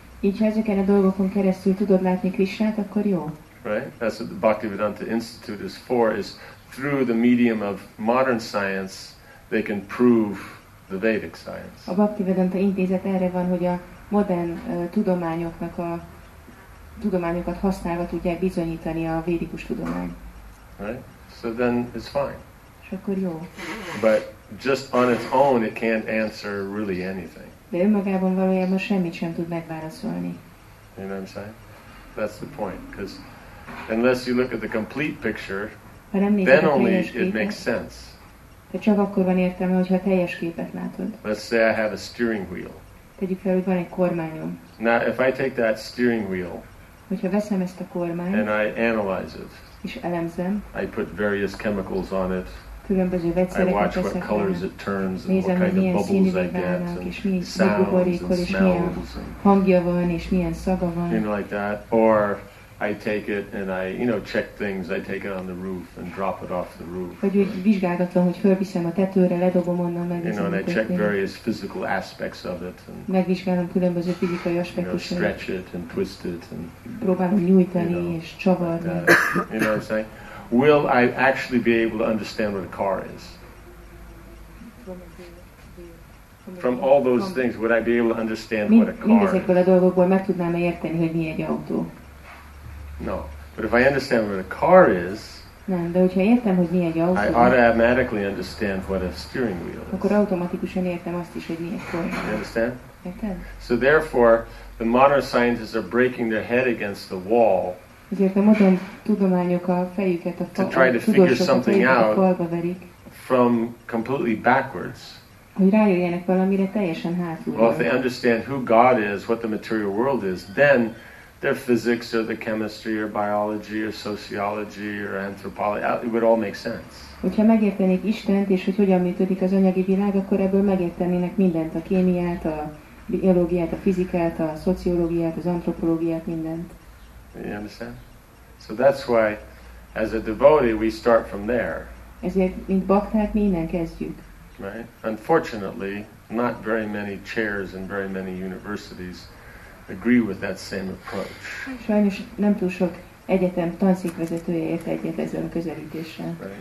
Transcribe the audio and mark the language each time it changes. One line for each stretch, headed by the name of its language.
Hungarian: Így, ha ezeken a dolgokon keresztül tudod látni Krishnát, akkor jó.
English: Right? That's what the Bhaktivedanta Institute is for, is through the medium of modern science, they can prove the Vedic science.
Hungarian: A Bhaktivedanta Intézet erre van, hogy a modern tudományoknak a tudományokat használva tudják bizonyítani a védikus tudomány.
English: Right? So then it's fine.
Hungarian: És akkor jó.
English: But just on its own, it can't answer really anything.
Hungarian: De önmagában valójában semmit sem tud megválaszolni.
English: You know what I'm saying? That's the point. Because unless you look at the complete picture, then only it makes sense.
Hungarian: De csak akkor van értelme, hogyha teljes képet látod.
English: Let's say I have a steering wheel.
Hungarian: Tegyük fel, hogy van egy kormányom.
English: Now, if I take that steering wheel,
Hungarian: hogyha veszem ezt a kormányt,
English: and I analyze it,
Hungarian: és elemzem,
English: I put various chemicals on it,
Hungarian: különböző vegyszereket,
English: I watch what colors it turns, and
Hungarian: nézem,
English: what kind of bubbles I get,
Hungarian: és
English: and sounds,
Hungarian: buborékol, és
English: smells,
Hungarian: milyen hangja van, és milyen szaga van.
English: You know, like that. Or I take it and I, you know, check things. I take it on the roof and drop it off the roof.
Hungarian: Vagy úgy vizsgálgatlan, hogy fölviszem a tetőre, ledobom onnan, megnézem.
English: You know, and I check various physical aspects of it. And,
Hungarian: megvizsgálom különböző fizikai aspektusokat.
English: You know, stretch it and twist it and.
Hungarian: Próbálom nyújtani,
English: you know,
Hungarian: és csavarni.
English: You know what I'm saying? Will I actually be able to understand what a car is? From all those things, would I be able to understand what a car is?
Hungarian: Mindezekből a dolgokból meg tudnám-e érteni, hogy mi egy autó?
English: No, but if I understand what a car is,
Hungarian: nem, de hogyha értem, hogy mi egy autó,
English: I automatically understand what a steering wheel is.
Hungarian: Akkor automatikusan értem azt is, hogy mi egy kormány.
English: You understand?
Hungarian: Értem.
English: So therefore, the modern scientists are breaking their head against the wall.
Hungarian: Ezért a modern tudományok a fejüket a
English: to try to figure something out
Hungarian: verik,
English: from completely backwards.
Hungarian: Hogy rájöjjenek valamire teljesen hátulról.
English: Well, if they understand who God is, what the material world is, then their physics or the chemistry or biology or sociology or anthropology, it would all make sense.
Hungarian: Hogyha megértenék Istent, és hogy hogyan működik az anyagi világ, akkor ebből megértenének mindent, a kémiát, a biológiát, a fizikát, a szociológiát, az antropológiát, mindent.
English: You understand? So that's why, as a devotee, we start from there.
Hungarian: Ezért, mint bakták, mi innen kezdjük.
English: Right? Unfortunately, not very many chairs in very many universities agree with that same approach.
Hungarian: Sajnos nem túl sok egyetem tanszékvezetője ért egyet ezzel a közelítéssel.